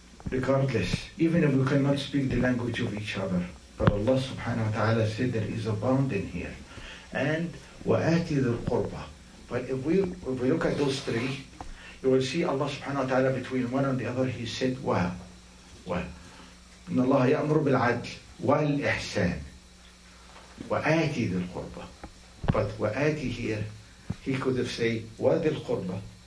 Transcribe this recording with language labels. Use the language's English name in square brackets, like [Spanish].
[English] Regardless, even if we cannot speak the language of each other, but Allah subhanahu wa ta'ala said there is a bond in here. And [Arabic] وَآتِ ذِي الْقُرْبَى. [English] But if we look at those three, you will see Allah subhanahu wa ta'ala between one and the other, He said, [Arabic] إِنَّ اللَّهَ يَأْمُرُ بِالْعَدْلِ وَالْإِحْسَانِ وَآتِ ذِي الْقُرْبَى. [English] But [Arabic] وَآتِ [English] here, he could have said [Arabic] وَذِي الْقُرْبَى.